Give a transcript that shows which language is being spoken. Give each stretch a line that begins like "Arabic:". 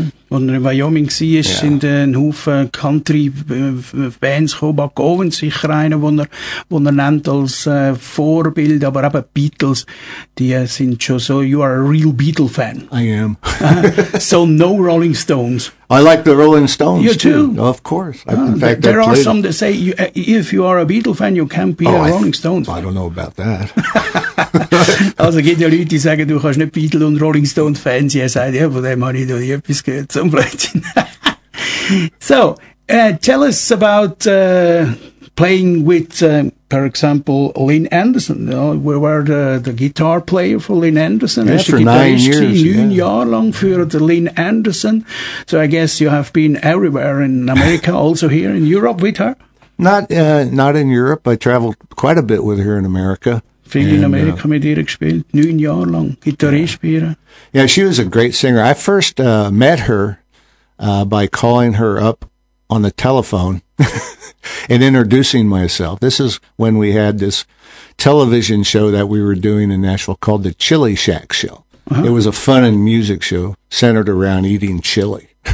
German: Und in Wyoming sind ein Haufen Country-Bands gekommen, Buck Owens sicher einer, wo er nennt als Vorbild, aber eben Beatles, die sind schon so,
English: you are a real Beatle-Fan. I am. So no Rolling Stones. I like the Rolling Stones, you too. Of course. There are some that say, if you are a Beatle fan, you can't be a Rolling Stones fan. I don't know about that.
German: Also, gibt ja Leute, die sagen, du kannst nicht Beatle und Rolling Stones Fans sein. Er sagt, ja, von dem habe ich noch nie etwas gehört, zum Blödsinn.
English: So, tell us about playing with, for example, Lynn Anderson. You know, we were the guitar player for Lynn Anderson. Yes, for 9 years. Lynn Anderson. So I guess you have been everywhere in America, also here in Europe with her? Not in Europe. I traveled quite a bit with her in America.
German: Viel in Amerika mit ihr gespielt, 9 Jahre lang, Gitarrist spielen.
English: Yeah, she was a great singer. I first met her by calling her up on the telephone and introducing myself. This is when we had this television show that we were doing in Nashville called The Chili Shack Show. Uh-huh. It was a fun and music show centered around eating chili.